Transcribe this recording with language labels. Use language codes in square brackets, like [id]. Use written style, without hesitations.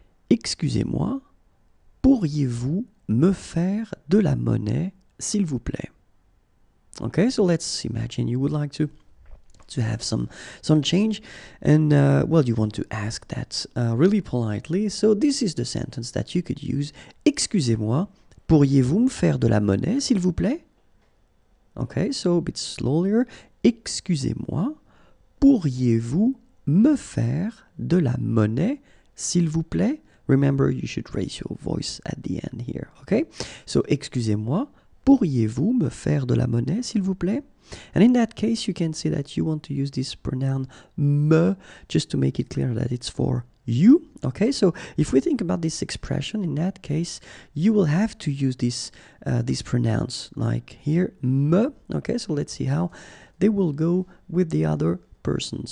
[fr] Excusez-moi, pourriez-vous me faire de la monnaie, s'il vous plaît? [en] Okay, so let's imagine you would like to have some change. And, well, you want to ask that really politely. So this is the sentence that you could use. [fr] Excusez-moi, pourriez-vous me faire de la monnaie, s'il vous plaît? [en] Okay, so a bit slower. [fr] Excusez-moi. Pourriez-vous me faire de la monnaie, s'il vous plaît? [en] Remember, you should raise your voice at the end here, okay? [fr] So, excusez-moi, pourriez-vous me faire de la monnaie, s'il vous plaît? [en] And in that case, you can say that you want to use this pronoun me, just to make it clear that it's for you, okay? So, if we think about this expression, in that case, you will have to use this, this pronoun, like here, me, okay? So, let's see how they will go with the other persons.